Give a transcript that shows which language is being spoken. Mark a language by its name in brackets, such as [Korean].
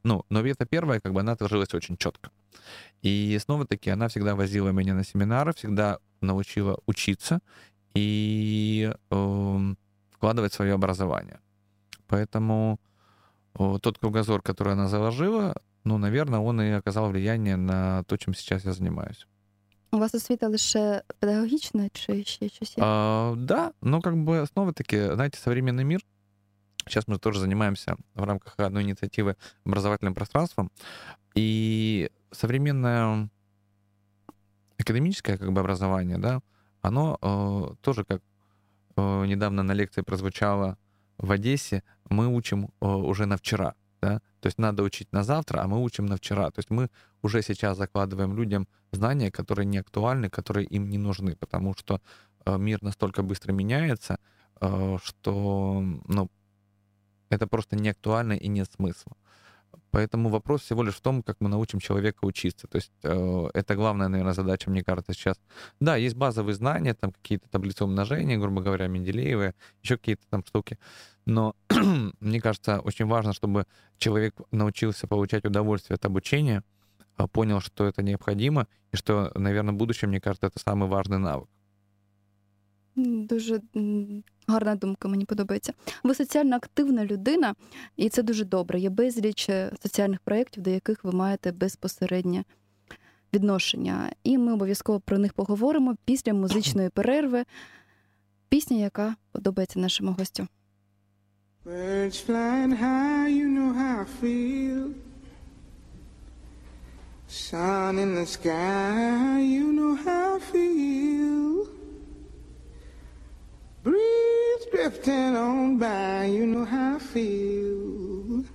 [Russian] Ну, но это первое, как бы она отложилась очень четко. И снова-таки она всегда возила меня на семинары, всегда научила учиться и вкладывать свое образование. Поэтому тот кругозор, который она заложила, ну, наверное, он и оказал влияние на то, чем сейчас я занимаюсь. У вас освіта лише педагогічна, чи ще щось? Да, но как бы снова-таки, знаете, современный мир, сейчас мы тоже занимаемся в рамках одной инициативы образовательным пространством, и современное академическое как бы образование, да, оно тоже, как недавно на лекции прозвучало в Одессе, мы учим уже на вчера, да, то есть надо учить на завтра, а мы учим на вчера. То есть мы уже сейчас закладываем людям знания, которые не актуальны, которые им не нужны, потому что мир настолько быстро меняется, что, ну, это просто не актуально и нет смысла. Поэтому вопрос всего лишь в том, как мы научим человека учиться. То есть это главная, наверное, задача, мне кажется, сейчас. Да, есть базовые знания, там какие-то таблицы умножения, грубо говоря, менделеевые, еще какие-то там штуки. Но мне кажется, очень важно, чтобы человек научился получать удовольствие от обучения, понял, что это необходимо, и что, наверное, в будущем, мне кажется, это самый важный навык. [Ukrainian] Дуже гарна думка, мені подобається. Ви соціально активна людина, і це дуже добре. Є безліч соціальних проєктів, до яких ви маєте безпосереднє відношення. І ми обов'язково про них поговоримо після музичної перерви. Пісня, яка подобається нашому гостю. [English] Birds flying high, you know how I feel. Sun in the sky, you know how I feel. Breeze drifting on by, you know how I feel.